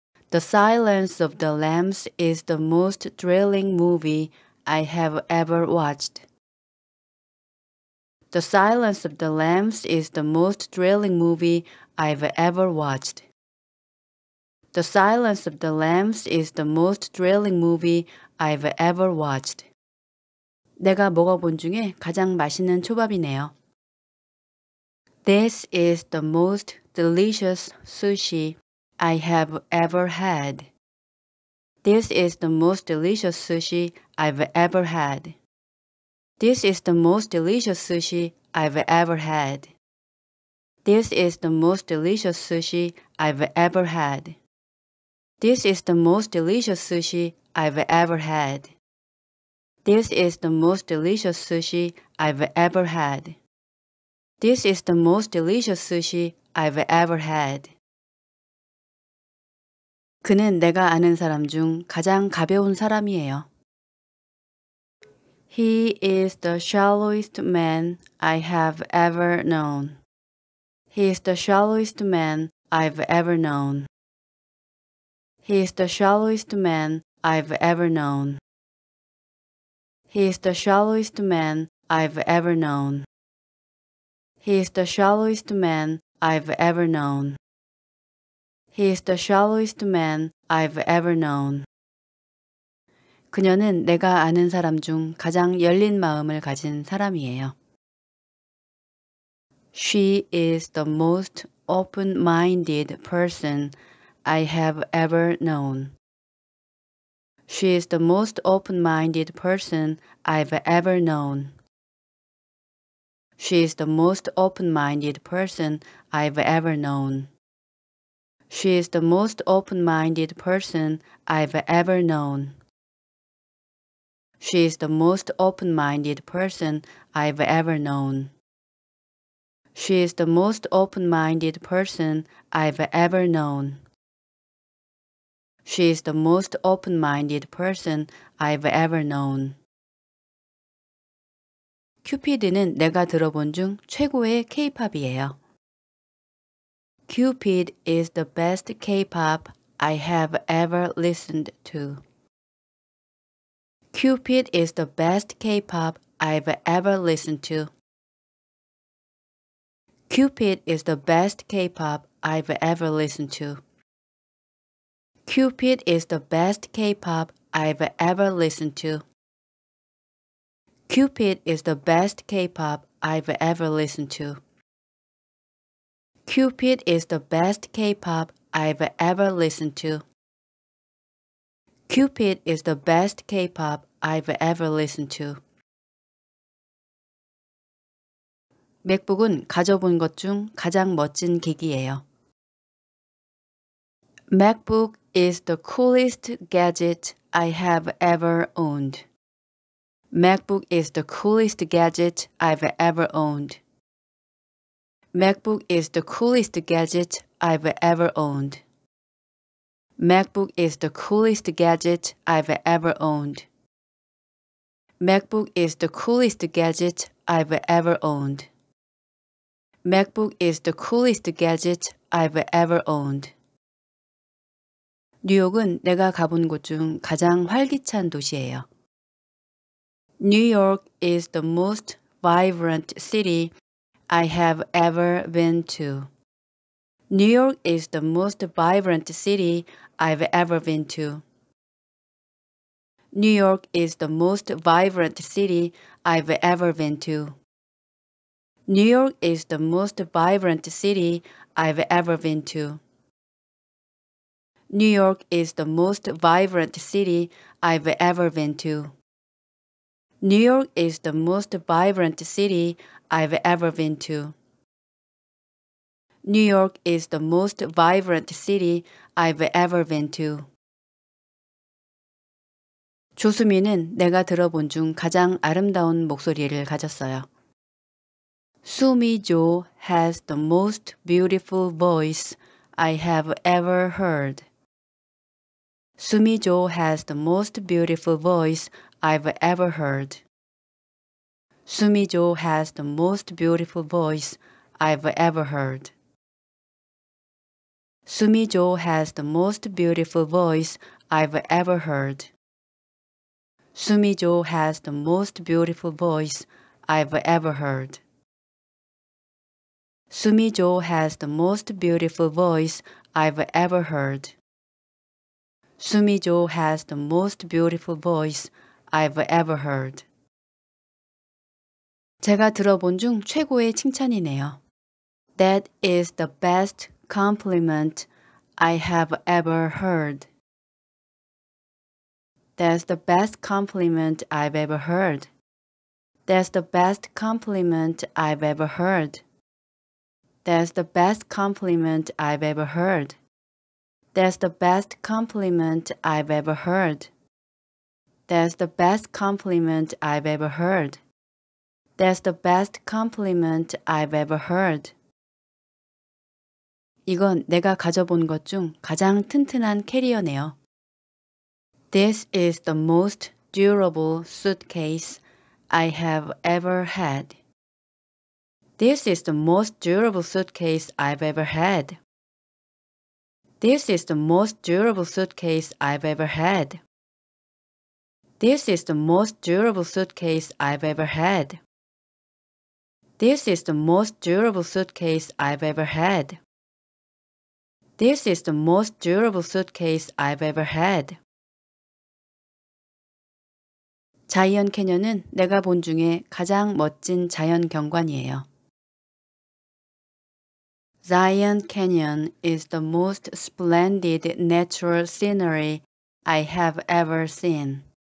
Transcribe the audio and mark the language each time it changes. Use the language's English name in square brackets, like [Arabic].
[English] The Silence of the Lambs is the most thrilling movie I have ever watched. The Silence of the Lambs is the most thrilling movie I've ever watched. The Silence of the Lambs is the most thrilling movie I've ever watched. [Korean] 내가 먹어본 중에 가장 맛있는 초밥이네요. [English] This is the most delicious sushi I have ever had. This is the most delicious sushi I've ever had. This is the most delicious sushi I've ever had. This is the most delicious sushi I've ever had. This is the most delicious sushi I've ever had. This is the most delicious sushi I've ever had. This is the most delicious sushi I've ever had. [Korean] 그는 내가 아는 사람 중 가장 가벼운 사람이에요. [English] He is the shallowest man I have ever known. He is the shallowest man I've ever known. He is the shallowest man I've ever known. He is the shallowest man I've ever known. He is the shallowest man I've ever known. He is the shallowest man I've ever known. [Korean] 그녀는 내가 아는 사람 중 가장 열린 마음을 가진 사람이에요. [English] She is the most open-minded person I have ever known. She is the most open-minded person I've ever known. She is the most open-minded person I've ever known. She is the most open-minded person I've ever known. She is the most open-minded person I've ever known. She is the most open-minded person I've ever known. She is the most open-minded person I've ever known. [Korean] 큐피드는 내가 들어본 중 최고의 K-pop이에요. [English] Cupid is the best K-pop I have ever listened to. Cupid is the best K-pop I've ever listened to. Cupid is the best K-pop I've ever listened to. Cupid is the best K-pop I've ever listened to. Cupid is the best K-pop I've ever listened to. Cupid is the best K-pop I've ever listened to. Cupid is the best K-pop I've ever listened to. [Korean] 맥북은 가져본 것 중 가장 멋진 기기예요. [English] MacBook is the coolest gadget I have ever owned. MacBook is the coolest gadget I've ever owned. MacBook is the coolest gadget I've ever owned. MacBook is the coolest gadget I've ever owned. MacBook is the coolest gadget I've ever owned. MacBook is the coolest gadget I've ever owned. [Korean] 뉴욕은 내가 가본 곳 중 가장 활기찬 도시예요. [English] New York is the most vibrant city I have ever been to. New York is the most vibrant city I've ever been to. New York is the most vibrant city I've ever been to. New York is the most vibrant city I've ever been to. New York is the most vibrant city I've ever been to. New York is the most vibrant city I've ever been to. New York is the most vibrant city I've ever been to. [Korean] 조수미는 내가 들어본 중 가장 아름다운 목소리를 가졌어요. [English] Sumi Jo has the most beautiful voice I have ever heard. Sumi Jo has the most beautiful voice I've ever heard. Sumi Jo has the most beautiful voice I've ever heard. Sumi Jo has the most beautiful voice I've ever heard. Sumi Jo has the most beautiful voice I've ever heard. Sumi Jo has the most beautiful voice I've ever heard. Sumi Jo has the most beautiful voice I've ever heard. [Korean] 제가 들어본 중 최고의 칭찬이네요. [English] That is the best compliment I have ever heard. That's the best compliment I've ever heard. That's the best compliment I've ever heard. That's the best compliment I've ever heard. That's the best compliment I've ever heard. That's the best compliment I've ever heard. That's the best compliment I've ever heard. [Korean] 이건 내가 가져본 것 중 가장 튼튼한 캐리어네요. [English] This is the most durable suitcase I have ever had. This is the most durable suitcase I've ever had. This is the most durable suitcase I've ever had. This is the most durable suitcase I've ever had. This is the most durable suitcase I've ever had. This is the most durable suitcase I've ever had. [Korean] 자이언 캐년은 내가 본 중에 가장 멋진 자연 경관이에요. [English] Zion Canyon is the most splendid natural scenery I have ever seen.